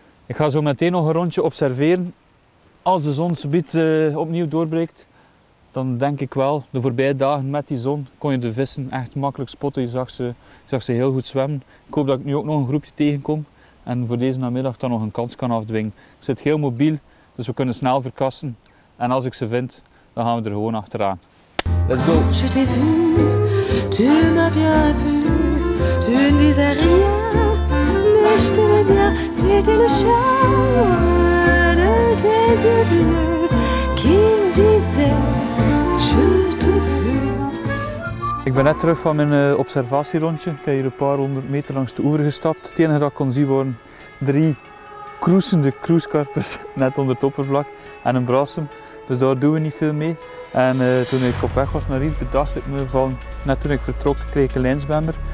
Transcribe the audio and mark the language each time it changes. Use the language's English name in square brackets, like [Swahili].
[Dutch] Ik ga zo meteen nog een rondje observeren. Als de zon zobiet opnieuw doorbreekt, dan denk ik wel, de voorbije dagen met die zon kon je de vissen echt makkelijk spotten. Je zag ze heel goed zwemmen. Ik hoop dat ik nu ook nog een groepje tegenkom en voor deze namiddag dan nog een kans kan afdwingen. Ik zit heel mobiel, dus we kunnen snel verkassen. En als ik ze vind, dan gaan we er gewoon achteraan. [English] Let's go! [French] Je t'ai vu, tu m'as bien vu, tu ne disais rien, mais je t'aimais bien, c'était le charme de tes yeux bleus qui me disait, je t'ai vu. [Dutch] Ik ben net terug van mijn observatierondje. Ik heb hier een paar honderd meter langs de oever gestapt. Het enige dat ik kon zien waren drie kroesende kroeskarpers net onder het oppervlak en een brassem. Dus daar doen we niet veel mee. En toen ik op weg was naar hier, bedacht ik me van, net toen ik vertrok, kreeg ik een lijnzwemmer.